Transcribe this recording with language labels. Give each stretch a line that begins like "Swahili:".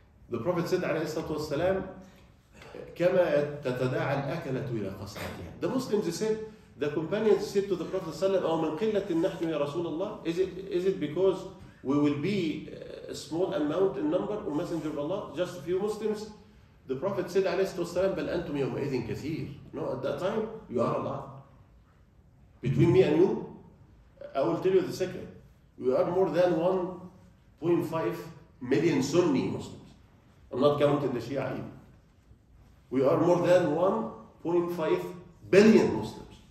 English: The Prophet said,
Arabic: عليه الصلاة والسلام, كما تتداعى الأكلة إلى قصرتها.
English: The Muslims said, the companions said to the Prophet صلى الله عليه وسلم, is it because we will be a small amount in number, or messenger of Allah, just a few Muslims? The Prophet said,
Arabic: عليه الصلاة والسلام, بل أنتم يومئذ كثير.
English: No, at that time, you are a lot. Between me and you, I will tell you the secret. We are more than 1.5 million Sunni Muslims. I'm not counting the Shia either. We are more than 1.5 billion Muslims.